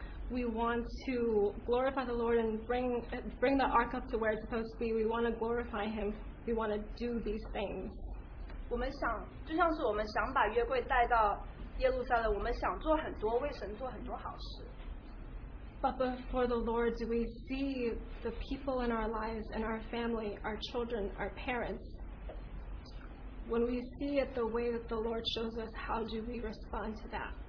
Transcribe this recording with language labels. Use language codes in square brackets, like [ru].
[en] We want to glorify the Lord and bring the ark up to where it's supposed to be. We want to glorify Him. We want to do these things. [zh] 我们想把约柜带到耶路撒冷，我们想做很多，为神做很多好事。 [en] But before the Lord, do we see the people in our lives, in our family, our children, our parents? When we see it the way that the Lord shows us, how do we respond to that?